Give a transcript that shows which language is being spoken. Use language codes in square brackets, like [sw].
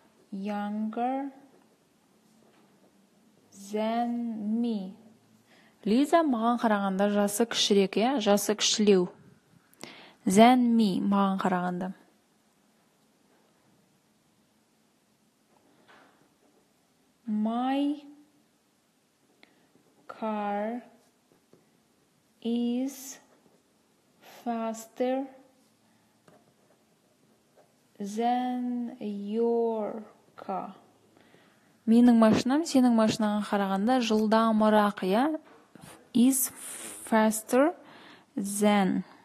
[en] Younger than me. [kk] Лиза маған қарағанда жасы кішірек, е? Жасы кішілеу. [en] Than me [kk] маған қарағанда. [en] My car is faster than your car. [kk] Менің машинам сенің машинаға қарағанда жылдамырақ, я? [en] Is faster than.